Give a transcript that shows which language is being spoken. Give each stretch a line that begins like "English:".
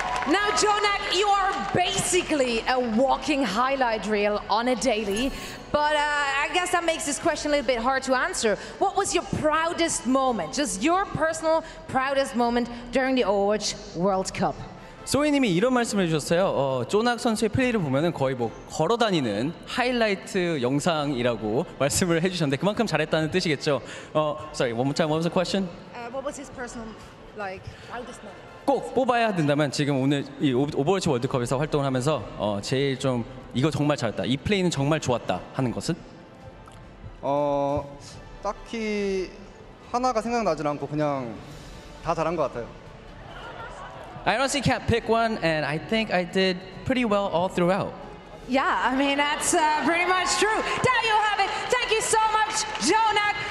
English: Now, JJoNak, you are basically a walking highlight reel on a daily, but I guess that makes this question a little bit hard to answer. What was your proudest moment, just your personal proudest moment during the Overwatch World Cup?
Korean: 소희님이 이런 말씀을 주셨어요. JJoNak 선수의 플레이를 보면은 거의 뭐 걸어다니는 하이라이트 영상이라고 말씀을 해주셨는데 그만큼 잘했다는 뜻이겠죠.
English: Sorry, one more time, what was the question? What was his personal, like, proudest moment?
Korean: 꼭 뽑아야 된다면 지금 오늘 이 오버워치 월드컵에서 활동을 하면서 제일 좀 이거 정말 잘했다, 이 플레이는 정말 좋았다 하는 것은? 딱히 하나가 생각나진 않고 그냥 다 잘한 것 같아요.
English: I honestly can't pick one, and I think I did pretty well all throughout. Yeah, I mean, that's pretty much true. There you have it. Thank you so much, Jonah.